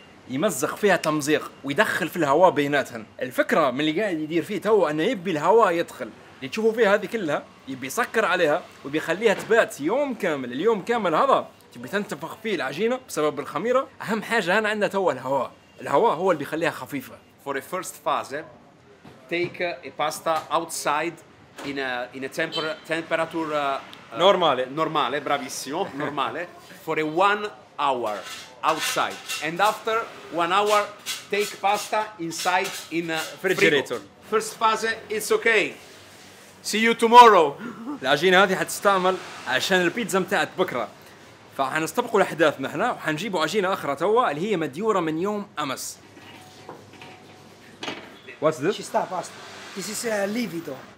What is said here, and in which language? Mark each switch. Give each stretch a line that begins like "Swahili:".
Arabic: يمزق فيها تمزيق ويدخل في الهواء بيناتهن. الفكرة من اللي قاعد يدير فيه توه أنه يبي الهواء يدخل. اللي تشوفوا فيها هذه كلها يبي يسكر عليها وبيخليها تبات يوم كامل. اليوم كامل هذا تبي تنتفخ فيه العجينة بسبب الخميرة. أهم حاجة هنا عندنا توه الهواء. الهواء هو اللي بيخليها خفيفة.
English: For the first phase, take a pasta outside. In a temperature
Italian: normale.
English: Normale, bravissimo, normale. For a 1 hour outside. And after 1 hour, take pasta inside in a refrigerator. First phase, it's okay. See you tomorrow.
Arabic: العجينة هذه حتستعمل عشان البيتزا متاعت بكرة. فحنستبقوا الأحداث نحنا وحنجيبوا عجينة أخرى توا اللي هي مديورة من يوم أمس.
English: What's this? She's a pasta. This is a lievito.